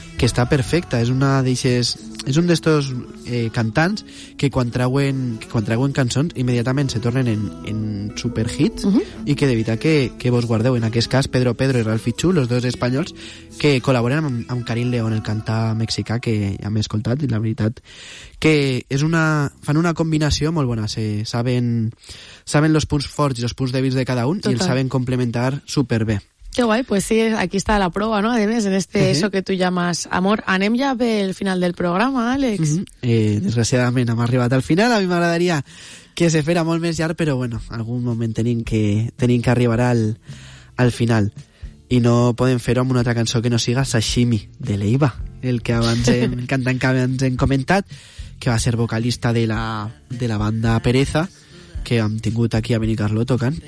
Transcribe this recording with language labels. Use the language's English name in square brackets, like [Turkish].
[Catalan] que està perfecta, és una d'aixes, és un d'estos cantants que quan trauen cançons immediatament se tornen en superhits i que de veritat que vos guardeu, en aquest cas Pedro Pedro i Ralfi Chu, els dos espanyols que col·laboren amb Karim León, el cantant mexicà que ja m'he escoltat, i la veritat que és una, fan una combinació molt bona, saben els punts forts i els punts dèbils de cada un. Total. I els saben complementar superbé. [Spanish] Qué guay, pues sí, aquí está la prueba, ¿no? Además, en este eso que tú llamas amor. [Catalan] Anem ya al final del programa, Àlex. Desgraciadament, hem arribat al final. A mi m'agradaria que se fera molt més llarg, però bueno, algun moment tenim que arribar al final. I no podem fer-ho amb una altra cançó que no siga Sashimi, de Leiva, el que abans hem comentat, que va ser vocalista de la banda Pereza, que han tingut aquí a Benicarlo tocant.